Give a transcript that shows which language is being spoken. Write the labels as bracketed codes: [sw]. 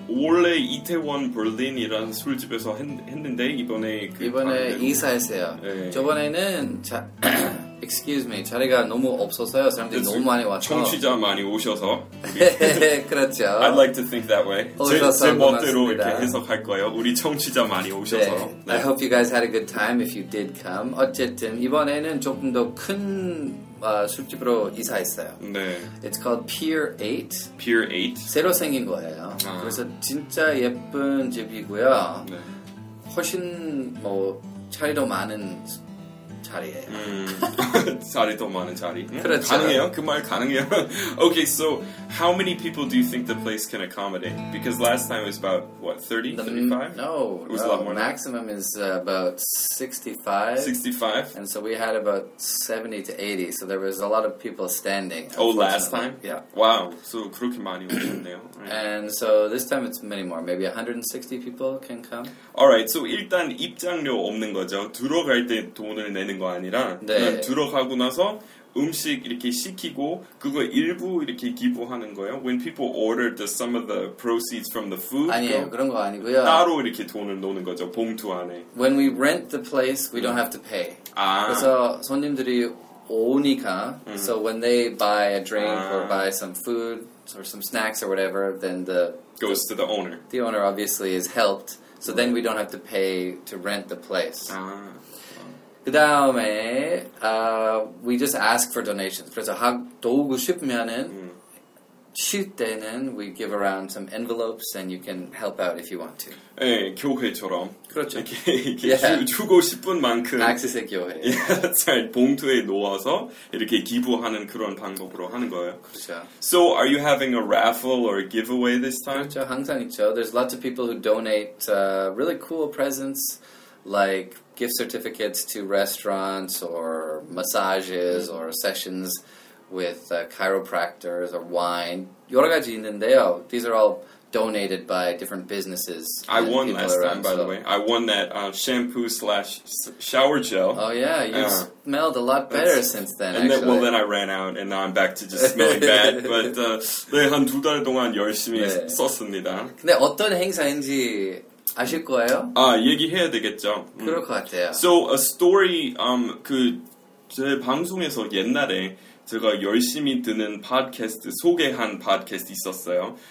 [ko] 원래 이태원 벌린이라는 술집에서 했는데 이번에 그 이번에 이사했어요. 네. 저번에는 excuse me, 자리가 너무 없어서요. 사람들이 너무 많이 왔어. 청취자 많이 오셔서. 그렇죠. [en] I'd like to think that way. [ko] 제 멋대로 이렇게 해석할 거예요. 우리 청취자 많이 오셔서. 네. [en] 네. I hope you guys had a good time if you did come. [ko] 어쨌든 이번에는 조금 더 큰 술집으로 이사했어요. 네. [en] It's called Pier 8. Pier 8. [ko] 새로 생긴 거예요. 아. 그래서 진짜 예쁜 집이고요. 네. 훨씬 뭐 차이도 많은 자리예요. 자리도 많은 자리. 그렇죠. 가능해요? 그 말 가능해요? [en] Okay, so how many people do you think the place can accommodate? Because last time it was about, what, 30, 35? No, it was a lot more. Maximum is about 65. 65? And so we had about 70 to 80, so there was a lot of people standing. Oh, last time? Yeah. Wow, so [ko] 그렇게 많이 오셨네요. [en] And so this time it's many more, maybe 160 people can come. Alright, so [ko] 일단 입장료 없는 거죠. 들어갈 때 돈을 내는 거 아니라 네. 들어가고 나서 음식 이렇게 시키고 그거 일부 이렇게 기부하는 거예요. [en] When people order the some of the proceeds from the food. [ko] 아니에요. 그런 거 아니고요. 따로 이렇게 돈을 넣는 거죠. 봉투 안에. [en] When we rent the place, we don't have to pay. [ko] 아. 그래서 손님들이 오니까 [en] so when they buy a drink 아. or buy some food or some snacks or whatever, then the goes to the owner. The owner obviously is helped. So then we don't have to pay to rent the place. [ko] 아. 그다음에 [en] we just ask for donations. [ko] 그래서 도우고 싶으면은 쉴 때는 [en] we give around some envelopes and you can help out if you want to. [ko] 예, 교회처럼. 그렇죠. 이렇게 yeah. 주고 싶은 만큼 액세스 교회. 잘 봉투에 넣어서 이렇게 기부하는 그런 방법으로 하는 거예요. 그렇죠. [en] So are you having a raffle or a giveaway this time? [ko] 그렇죠. 항상 있죠. [en] There's lots of people who donate really cool presents like gift certificates to restaurants or massages or sessions with chiropractors or wine. [ko] 여러 가지 있는데요. [en] These are all donated by different businesses. I won last time, by the way. I won that shampoo / shower gel. Oh, yeah. You smelled a lot better since then, and actually. Well, then I ran out, and now I'm back to just smelling bad. But [ko] 네, 한 두 달 동안 열심히 네. 썼습니다. 근데 어떤 행사인지 아실 거예요? 아, 얘기해야 되겠죠. 그럴 것 같아요. So, a story, 그 제 방송에서 옛날에 제가 열심히 듣는 팟캐스트, 소개한 팟캐스트 있었어요.